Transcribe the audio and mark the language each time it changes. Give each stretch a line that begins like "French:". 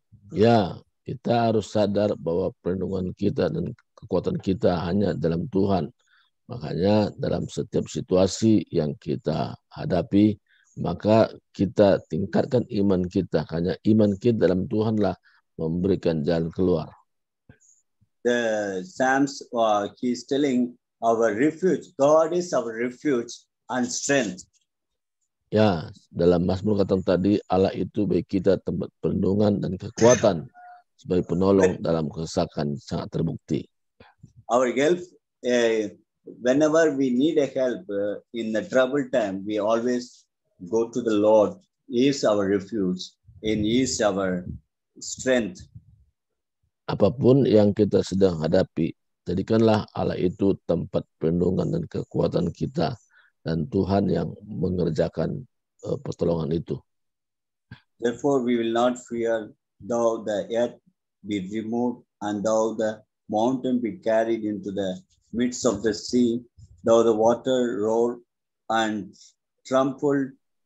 Indonesian: Ya, kita harus sadar bahwa perlindungan kita dan kekuatan kita hanya dalam Tuhan. Makanya dalam setiap situasi yang kita hadapi, maka kita tingkatkan iman kita. Karena iman kita dalam Tuhanlah memberikan jalan keluar.
English: The Psalms, he is telling our refuge. God is our refuge and strength.
Indonesian: Ya, dalam Mazmur kata tadi, Allah itu bagi kita tempat perlindungan dan kekuatan sebagai penolong dalam kesesakan sangat terbukti.
English: Our help, whenever we need a help in the trouble time, we always go to the Lord. He is our refuge and He is our strength.
Indonesian: Apapun yang kita sedang hadapi, jadikanlah Allah itu tempat perlindungan dan kekuatan kita. Dan Tuhan yang mengerjakan pertolongan itu.
English: Therefore we will not fear though the earth be removed and though the mountain be carried into the midst of the sea, though the water roar and trample.